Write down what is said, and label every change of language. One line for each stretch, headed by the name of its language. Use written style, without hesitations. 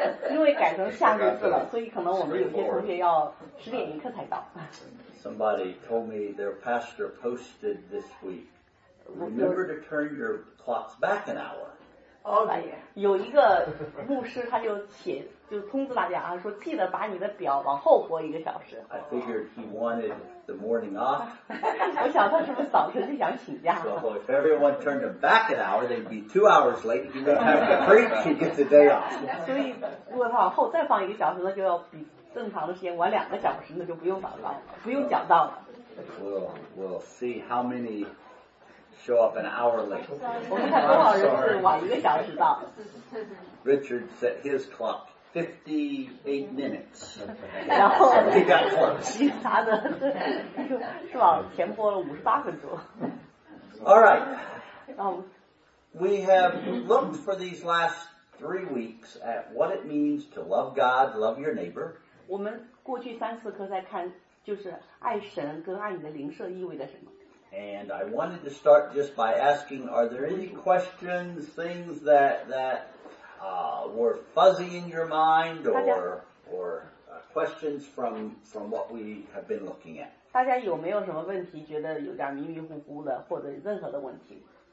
Chinese: 因为改成夏日制了，所以可能我们有些同学要十点一刻才到。
English: Somebody told me their pastor posted this week. Remember to turn your clocks back an hour. Oh,
Chinese: 有一个牧师他就写就通知大家啊，说记得把你的表往后拨一个小时。
English: I figured he wanted the morning off.
Chinese: 我想他是不是早晨就想请假？
English: So if everyone turned them back an hour, they'd be 2 hours late. He wouldn't have to preach. He gets a day off.
Chinese: 所以如果他往后再放一个小时，那就要比正常的时间晚两个小时，那就不用祷告，不用讲道了。
English: We'll see how many show up an hour late.
Chinese: 我们看多少人是晚一个小时到。
English: Richard set his clock 58 minutes.
Chinese: 然后
English: he got close.
Chinese: 其他的是吧，前播了58分钟。
English: All right. We have looked for these last 3 weeks at what it means to love God, love your neighbor.
Chinese: 我们过去三次课在看，就是爱神跟爱你的邻舍意味着什么。
English: And I wanted to start just by asking, are there any questions, things that were fuzzy in your mind, or questions from what we have been looking at?
Chinese: 大家有没有什么问题，觉得有点迷迷糊糊的，或者任何的问题